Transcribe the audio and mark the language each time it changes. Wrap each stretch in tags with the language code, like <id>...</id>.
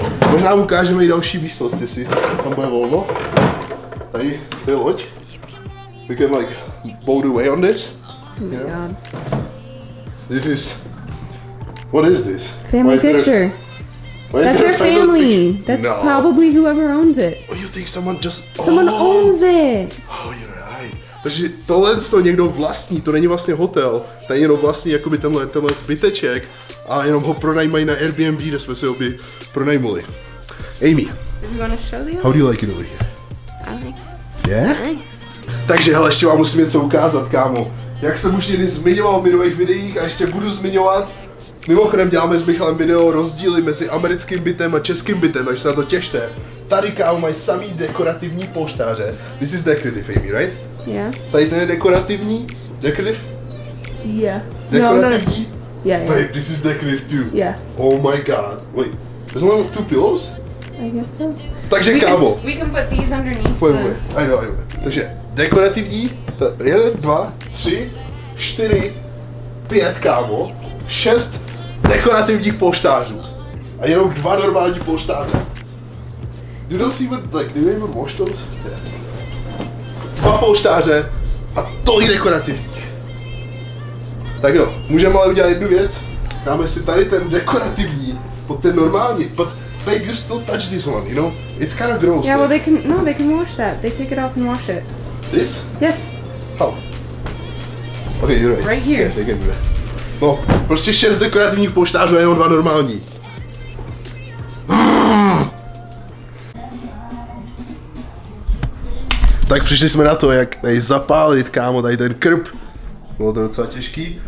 <cs>Možná ukážeme i další místnost, jestli tam bude volno. Tady je loď.</cs> <en>We can like boat away on this. Yeah. This is... What is this? Family is picture. There, that's their family. That's no. Probably whoever owns it. Oh, you think someone just... Someone owns it. Oh, you're right.</en> <cs>Takže tohle to někdo vlastní. To není vlastně hotel. To je jenom vlastní jakoby tenhle zbyteček. A jenom ho pronajmají na Airbnb, kde jsme si ho by pronajmuli. Amy.</cs> <en>Do you want to show them? How do you like it over here? Je? Yeah? Nice.</en> <cs>Takže hele, ještě vám musím něco ukázat, kámo. Jak jsem už jen zmiňoval v minulých videích a ještě budu zmiňovat. Mimochodem děláme s Michalem video rozdíly mezi americkým bytem a českým bytem, takže se na to těšte. Tady kámo mají samý dekorativní polštáře.</cs> <en>This is decorative, Amy, right? Yeah.</en> <cs>Tady ten je dekorativní? Decorative?</cs> <en>Yeah.</en> <cs>Dekorativní?</cs> <en>No, no. Yeah, yeah. Babe, this is decorative too. Yeah. Oh my god. Wait, there's only two pillows? I guess so.</en> <cs>Takže</cs> <en>we</en> <cs>kámo.</cs> <en>We can put these underneath. Wait, wait. I know.</en> <cs>Takže dekorativní. Jeden, dva, tři, čtyři, pět kámo. Šest dekorativních polštářů. A jenom dva normální polštáře.</cs> <en>You don't see what, like, do you even wash those?</en> <cs>Dva polštáře a tolik dekorativních. Tak jo, můžeme ale udělat jednu věc. Dáme si tady ten dekorativní pod ten normální.</cs> <en>Babe, you still touch this one, you know? It's kind of gross. Yeah, well, they can wash that. They take it off and wash it. This? Yes. How? Okej, okay, druhý. Right here.</en> <cs>Okay, okay, no, prostě 6 dekorativních polštářů a jenom 2 normální. Tak přišli jsme na to, jak tady zapálit, kámo, tady ten krb. Bylo to docela těžký.</cs>